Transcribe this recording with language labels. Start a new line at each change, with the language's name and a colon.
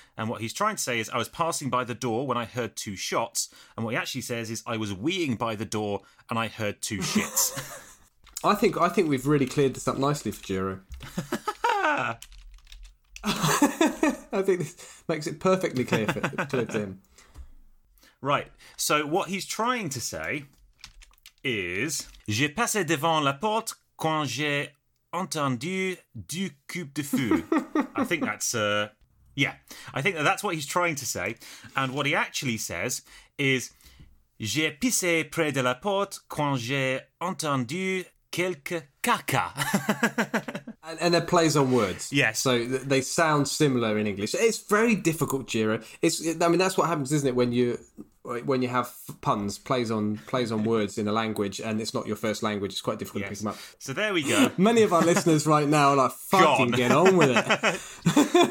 English: And what he's trying to say is, I was passing by the door when I heard two shots. And what he actually says is, I was weeing by the door and I heard two shits. I think we've really cleared this up nicely for Jiro. I think this makes it perfectly clear for Tim. Right. So what he's trying to say is,
French: j'ai passé devant la porte quand j'ai entendu du coup de feu.
English: I think that's I think that's what he's trying to say. And what he actually says is,
French: j'ai pissé près de la porte quand j'ai entendu quelque caca.
English: And they're plays on words. Yes. So they sound similar in English. It's very difficult, Jira. That's what happens, isn't it, when you have puns, plays on words in a language, and it's not your first language. It's quite difficult to pick them up. So there we go. Many of our listeners right now are like, fucking get on with it.